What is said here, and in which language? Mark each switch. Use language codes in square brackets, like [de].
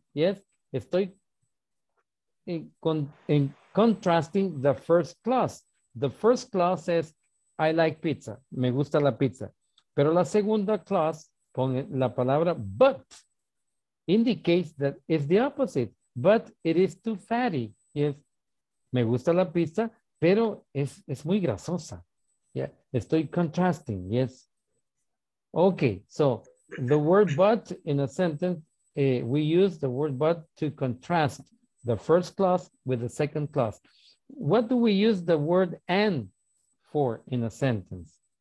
[en] Yes, estoy in contrasting the first clause. The first clause says, I like pizza, [es] me gusta la pizza. Pero la segunda [en] clause, [es] con la palabra [en] but, indicates that it's the opposite, but it is too fatty. [es] Yes, me gusta la pizza, pero es muy grasosa. [en] Yeah, estoy contrasting, yes. Okay, so the word but in a sentence, we use the word but to contrast the first clause with the second clause. What do we use the word and for in a sentence?